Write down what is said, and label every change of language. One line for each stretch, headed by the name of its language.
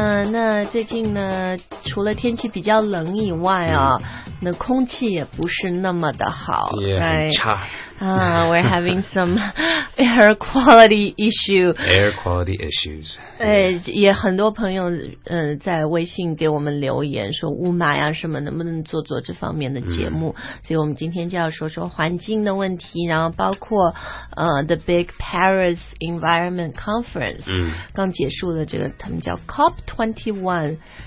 Chinese: 那最近呢，除了天气比较冷以外啊，那空气也不是那么的好。
English: Yeah, right?
Chinese: 很差。
English: We're having some air quality issue. Air quality issues.
Chinese: 也很多朋友在微信给我们留言说雾霾啊什么，能不能做做这方面的节目？所以我们今天就要说说环境的问题，然后包括
English: The Big Paris Environment Conference
Chinese: 刚结束的这个，他们叫 COP21